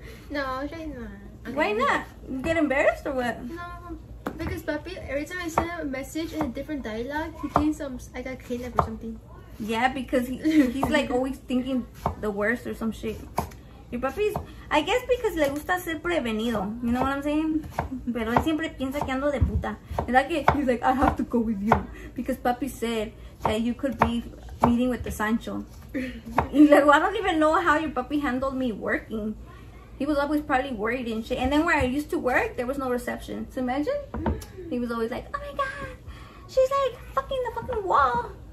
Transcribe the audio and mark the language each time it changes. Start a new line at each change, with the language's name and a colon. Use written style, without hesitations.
English: No, I'll try not. Okay. Why not? You get embarrassed or what? No. Because papi, every time I send a message in a different dialogue, he thinks I got kidnapped or something. Yeah, because he's like always thinking the worst or some shit. Your papi's, I guess because
Spanish: le gusta ser prevenido.
English: You know what I'm saying?
Spanish: Pero él siempre piensa que ando de puta. ¿Verdad que?
English: He's like, I have to go with you. Because papi said that you could be meeting with the Sancho. He's like, well, I don't even know how your papi handled me working. He was always probably worried and shit. And then where I used to work, there was no reception. So imagine? He was always like, oh my god. She's like, fucking the fucking wall.